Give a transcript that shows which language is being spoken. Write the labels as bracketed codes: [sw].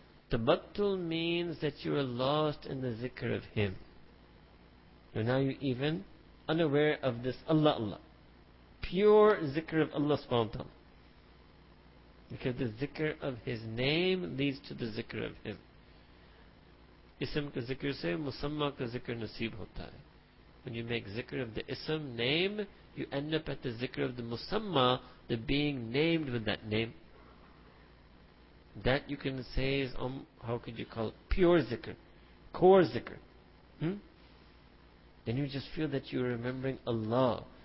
[en] Tabattul means that you were lost in the zikr of Him. So now you're even unaware of this Allah Allah. Pure zikr of Allah subhanahu wa ta'ala. Because the zikr of His name leads to the zikr of Him. [ur] اسم کا ذکر سے مسمیٰ کا ذکر نصیب ہوتا ہے. [en] When you make zikr of the ism, name, you end up at the zikr of the musamma, the being named with that name. That you can say is, how could you call it, pure zikr, core zikr. Then you just feel that you're remembering Allah.